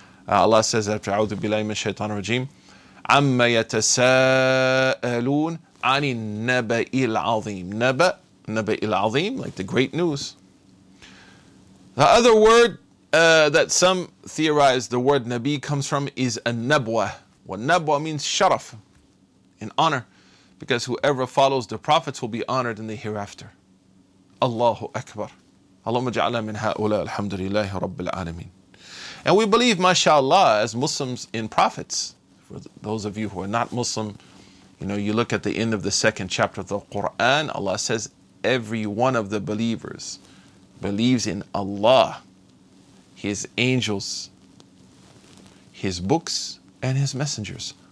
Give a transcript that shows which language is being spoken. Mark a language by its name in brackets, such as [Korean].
[English] Allah says after A'udhu Billahi Min Shaitan Rajeem, [Arabic] عَمَّ يَتَسَاءَلُونَ عَنِ النَّبَئِ الْعَظِيمِ نَبَئِ الْعَظِيمِ, [English] like the great news. The other word that some theorize the word Nabi comes from is النَّبْوَة. وَالنَّبْوَة means sharaf, in honor, because whoever follows the prophets will be honored in the hereafter. Allahu Akbar. [Arabic] اللهم جعل من هؤلاء الحمد لله رب العالمين. [English] And we believe, mashallah, as Muslims in prophets. For those of you who are not Muslim, you know, you look at the end of the second chapter of the Quran, Allah says, every one of the believers believes in Allah, His angels, His books, and His messengers.